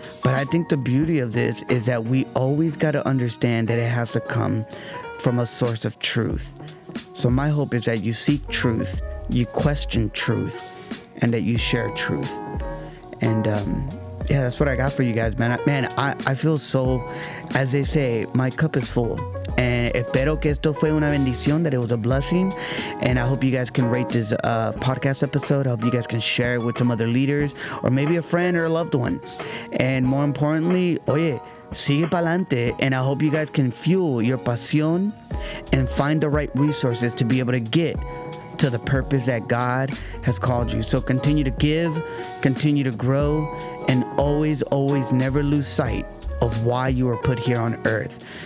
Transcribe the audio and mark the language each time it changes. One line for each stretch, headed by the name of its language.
English: But I think the beauty of this is that we always got to understand that it has to come from a source of truth. So my hope is that you seek truth, you question truth, and that you share truth. And yeah, that's what I got for you guys, man. I feel so, as they say, my cup is full. And
Spanish: espero que esto fue una bendición,
English: that it was a blessing. And I hope you guys can rate this podcast episode. I hope you guys can share it with some other leaders or maybe a friend or a loved one. And more importantly,
Spanish: oye, sigue pa'lante,
English: and I hope you guys can fuel your pasión and find the right resources to be able to get to the purpose that God has called you. So continue to give, continue to grow, and always, always never lose sight of why you were put here on earth.